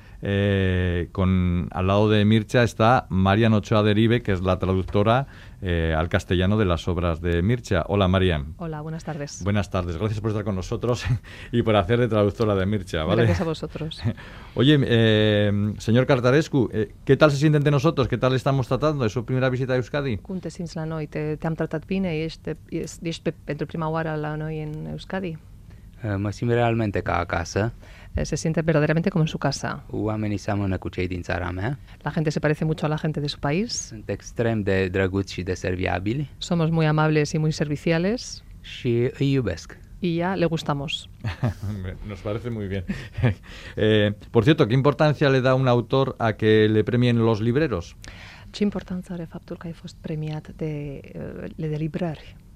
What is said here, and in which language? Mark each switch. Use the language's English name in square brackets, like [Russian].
[Spanish] Al lado de Mircea está Marian Ochoa Derive, que es la traductora al castellano de las obras de Mircea. Hola, Marian. Hola, buenas tardes. Buenas tardes. Gracias por estar con nosotros y por hacer de traductora de Mircea. ¿Vale? Gracias a vosotros. Oye, señor Cărtărescu, ¿qué tal se sienten de nosotros? ¿Qué tal estamos tratando? ¿Es su primera visita a Euskadi? [Romanian] Cum te simți la noi? Te am tratat bine? Ești pentru prima oară la noi în Euskadi? Mă simt realmente ca acasă. [Spanish] Se siente verdaderamente como en su casa. [Romanian] Oamenii seamănă cu cei din țara mea. [Spanish] La gente se parece mucho a la gente de su país. [Romanian] Sunt extrem de drăguți și de serviabili. [Spanish] Somos muy amables y muy serviciales. [Romanian] Și îi iubesc. [Spanish] Y ya le gustamos. Nos parece muy bien. Por cierto, ¿qué importancia le da un autor a que le premien los libreros? [Romanian] Ce importanță are faptul că ai fost premiat de librări?